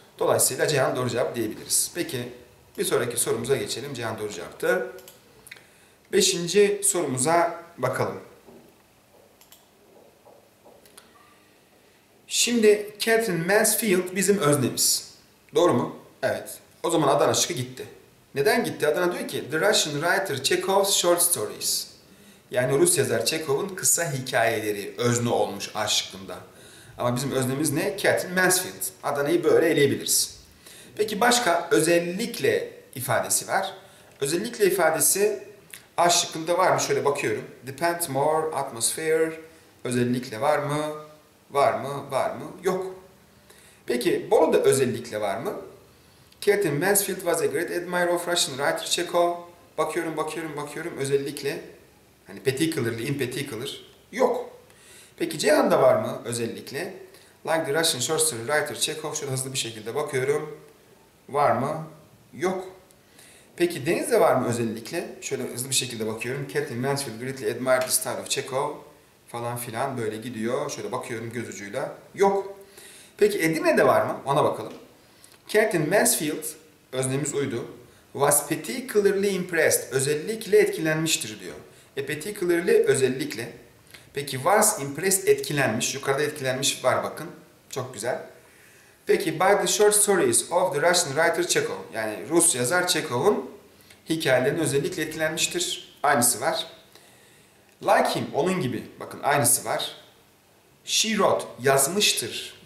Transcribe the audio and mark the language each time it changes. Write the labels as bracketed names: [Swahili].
[Turkish] Dolayısıyla Ceyhan doğru cevap diyebiliriz. Peki bir sonraki sorumuza geçelim. Ceyhan doğru cevaptı. Beşinci sorumuza bakalım. Şimdi Catherine Mansfield bizim öznemiz. Doğru mu? Evet. O zaman Adana şıkı gitti. Neden gitti? Adana diyor ki [English] The Russian writer Chekhov's short stories. [Turkish] Yani Rus yazar Chekhov'un kısa hikayeleri özne olmuş aşkımda. Ama bizim öznemiz ne? Catherine Mansfield. Adana'yı böyle eleyebiliriz. Peki başka özellikle ifadesi var. Özellikle ifadesi A şıkkında var mı? Şöyle bakıyorum. [English] Depend more, [Turkish] atmosphere, özellikle var mı? Var mı? Var mı? Yok. Peki, Bolu'da özellikle var mı? [English] Catherine Mansfield was a great admirer of Russian writer Chekhov. [Turkish] Bakıyorum, bakıyorum, bakıyorum. Özellikle. Hani particularly, [English] in particular. [Turkish] Yok. Peki, Ceyhan'da var mı özellikle? [English] Like the Russian short story writer Chekhov. [Turkish] Şöyle hızlı bir şekilde bakıyorum. Var mı? Yok. Peki Deniz'de var mı özellikle? Şöyle hızlı bir şekilde bakıyorum. Catherine Mansfield [English] greatly admired the style of Chekhov [Turkish] falan filan böyle gidiyor. Şöyle bakıyorum göz ucuyla. Yok. Peki Edirne'de var mı? Ona bakalım. Catherine Mansfield, öznemiz uydu. [English] Was particularly impressed. [Turkish] Özellikle etkilenmiştir diyor. Particularly özellikle. Peki [English] was impressed [Turkish] etkilenmiş. Yukarıda etkilenmiş var bakın. Çok güzel. Peki, [English] by the short stories of the Russian writer Chekhov, [Turkish] yani Rus yazar Chekhov'un hikayelerini özellikle etkilenmiştir. Aynısı var. [English] Like him, [Turkish] onun gibi. Bakın, aynısı var. [English] She wrote, [Turkish] yazmıştır.